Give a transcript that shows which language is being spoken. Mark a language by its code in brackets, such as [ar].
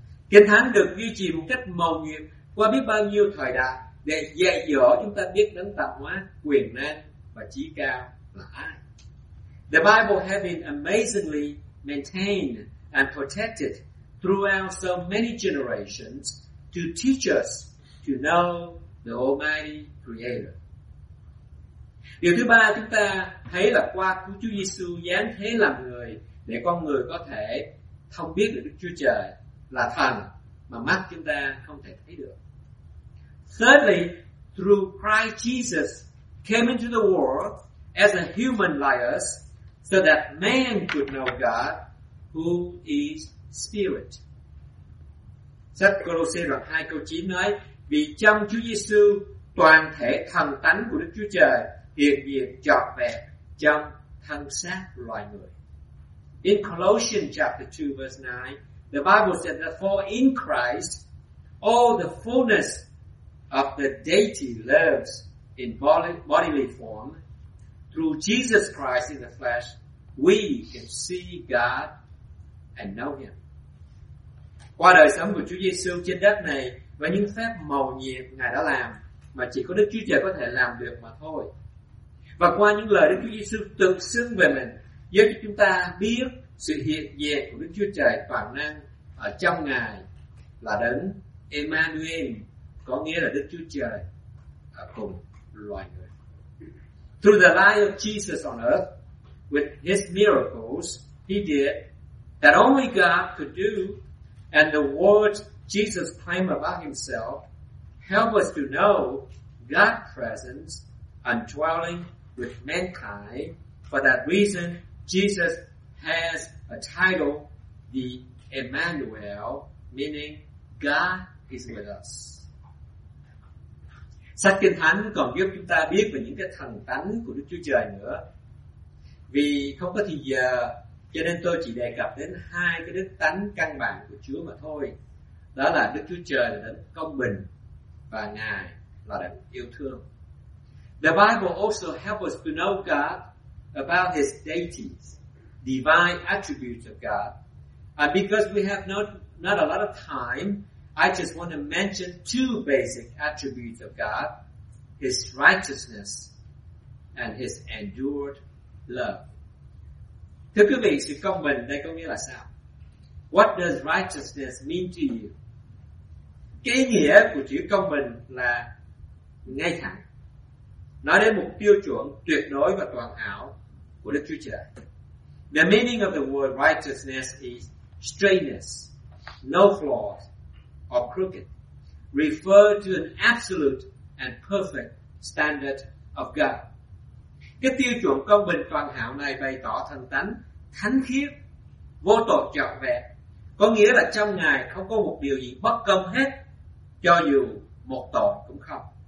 [vi] Kinh Thánh được duy trì một cách mầu nhiệm qua biết bao nhiêu thời đại để dạy dỗ chúng ta biết đấng tạo hóa, quyền năng và chí cao là ai. [en] The Bible has been amazingly maintained and protected throughout so many generations to teach us to know the Almighty Creator. [vi] Điều thứ ba chúng ta thấy là qua của Chúa Giêsu giáng thế làm người để con người có thể thông biết được Đức Chúa Trời là thần mà mắt chúng ta không thể thấy được. [en] Thirdly, through Christ Jesus came into the world as a human like us, so that man could know God, who is Spirit. [vi] Sách Côlôse đoạn 2 câu 9 nói: vì trong Chúa Giêsu toàn thể thần tánh của Đức Chúa Trời hiện diện trọn vẹn trong thân xác loài người. [en] In Colossians chapter 2 verse 9, the Bible said that for in Christ all the fullness of the deity lives in bodily form. Through Jesus Christ in the flesh, we can see God and know Him. [vi] Qua đời sống của Chúa Giêsu trên đất này và những phép mầu nhiệm Ngài đã làm mà chỉ có Đức Chúa Trời có thể làm được mà thôi. Và qua những lời Đức Chúa Giêsu tự xưng về mình, giúp chúng ta biết sự hiện diện của Đức Chúa Trời toàn năng ở trong Ngài là đấng Emmanuel, có nghĩa là Đức Chúa Trời ở cùng loài người. [en] Through the life of Jesus on earth, with his miracles he did that only God could do, and the words Jesus claimed about himself help us to know God's presence and dwelling with mankind. For that reason, Jesus has a title, the Emmanuel, meaning God is with us. [vi] Sách Kinh Thánh còn giúp chúng ta biết về những cái thần tánh của Đức Chúa Trời nữa. Vì không có thì giờ, cho nên tôi chỉ đề cập đến hai cái đức tánh căn bản của Chúa mà thôi. Đó là Đức Chúa Trời là đấng công bình và Ngài là đấng yêu thương. [en] The Bible also helps us to know God about His deities, divine attributes of God. And because we have not a lot of time, I just want to mention two basic attributes of God, His righteousness and His endured love. [vi] Thưa quý vị, sự công bình đây có nghĩa là sao? [en] What does righteousness mean to you? [vi] Cái nghĩa của chữ công bình là ngay thẳng. Nói đến một tiêu chuẩn tuyệt đối và toàn hảo của Đức Chúa Trời. [en] The meaning of the word righteousness is straightness, no flaws, or crooked. Refer to an absolute and perfect standard of God. [vi] Cái tiêu chuẩn công bình toàn hảo này bày tỏ thần tánh, thánh khiết, vô tội trọn vẹn. Có nghĩa là trong Ngài không có một điều gì bất công hết, cho dù một tội cũng không.